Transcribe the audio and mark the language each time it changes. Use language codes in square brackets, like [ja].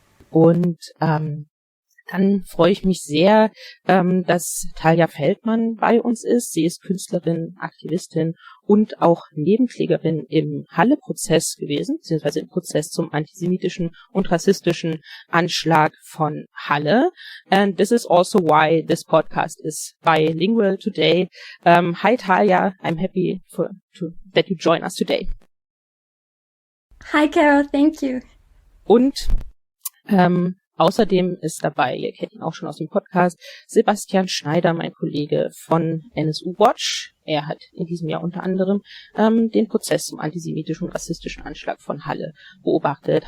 [de] Und dann freue ich mich sehr, dass Talja Feldmann bei uns ist. Sie ist Künstlerin, Aktivistin und auch Nebenklägerin im Halle-Prozess gewesen, beziehungsweise im Prozess zum antisemitischen und rassistischen Anschlag von Halle. [en] And this is also why this podcast is bilingual today. Hi Talja, I'm happy that you join us today. Hi Carol, thank you. [de] Und außerdem ist dabei, ihr kennt ihn auch schon aus dem Podcast, Sebastian Schneider, mein Kollege von NSU Watch. Er hat in diesem Jahr unter anderem den Prozess zum antisemitischen und rassistischen Anschlag von Halle beobachtet.